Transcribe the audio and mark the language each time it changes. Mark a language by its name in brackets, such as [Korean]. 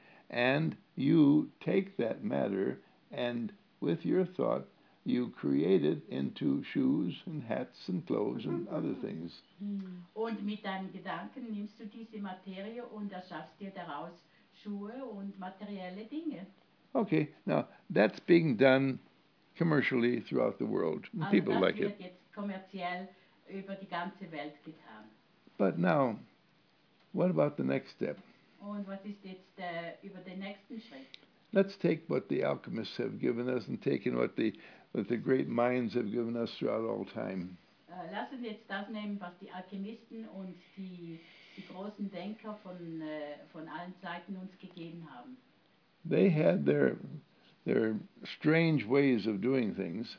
[English] And you take that matter and with your thought you create it into shoes and hats and clothes and other things. [German] Und mit deinen Gedanken nimmst du diese Materie und erschaffst dir daraus Schuhe und materielle Dinge. [English] Okay, now that's being done commercially throughout the world. [German] Also [English] people like it. [German] Das wird jetzt kommerziell über die ganze Welt getan. [English] But now, what about the next step? [German] Und was ist jetzt über den nächsten Schritt? [English] Let's take what the alchemists have given us and taken what the great minds have given us throughout all time. [German] Lass uns jetzt das nehmen, was die Alchemisten und die großen Denker von allen Zeiten uns gegeben haben. [English] They had their strange ways of doing things.